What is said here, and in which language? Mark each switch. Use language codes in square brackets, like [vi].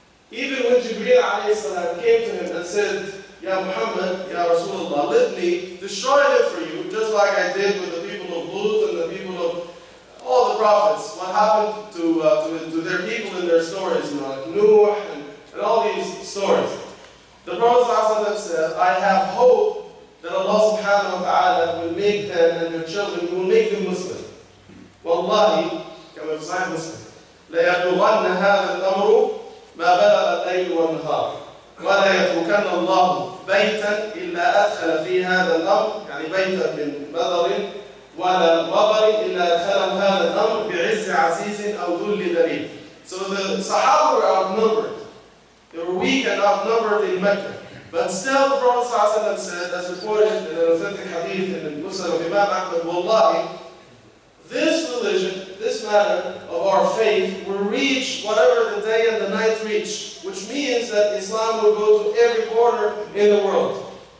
[en] Even when Jibreel alayhi salam came to him and said, Ya Muhammad, Ya Rasulullah, let me destroy it for you, just like I did with the people of Lut and the people of all the prophets. What happened to their people in their stories, you know, like Nuh and all these stories. The Prophet said, I have hope that Allah subhanahu wa ta'ala will make them and their children, will make them Muslim. [ar] Wallahi, كما في صحيح مسلم, ليبلغن هذا الأمر ما بلغ الليل والنهار ولا يتركن الله بيتا إلا أدخل في هذا الأمر, يعني بيتا من بدر ولا بدر إلا أدخل هذا الأمر بعز عزيز أو ذل دليل. [en] So the Sahaba were outnumbered. They were weak and outnumbered in Mecca. But still, the Prophet ﷺ said, as reported in an authentic hadith in the Musnad of Imam Ahmad, Wallahi, this religion, this matter of our faith, will reach whatever the day and the night reach, which means that Islam will go to every corner in the world.